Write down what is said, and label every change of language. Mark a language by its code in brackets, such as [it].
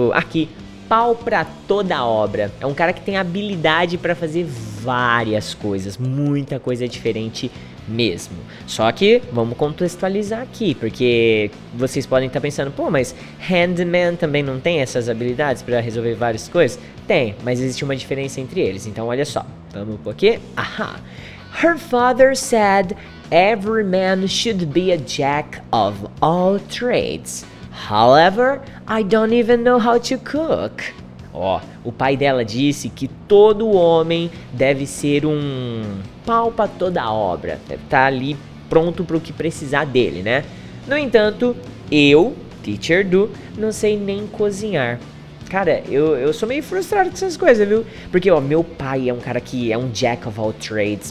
[pt] Aqui, pau pra toda obra. É um cara que tem habilidade pra fazer várias coisas, muita coisa diferente mesmo. Só que, vamos contextualizar aqui, porque vocês podem estar pensando, pô, mas handyman também não tem essas habilidades pra resolver várias coisas? Tem, mas existe uma diferença entre eles, então olha só. Vamos por aqui. Aha. [en] Her father said every man should be a jack of all trades. However, I don't even know how to cook. [pt] Ó, o pai dela disse que todo homem deve ser um pau pra toda obra. Deve estar ali pronto pro que precisar dele, né? No entanto, eu, teacher Du, não sei nem cozinhar. Cara, eu sou meio frustrado com essas coisas, viu? Porque, ó, meu pai é um cara que é um jack of all trades.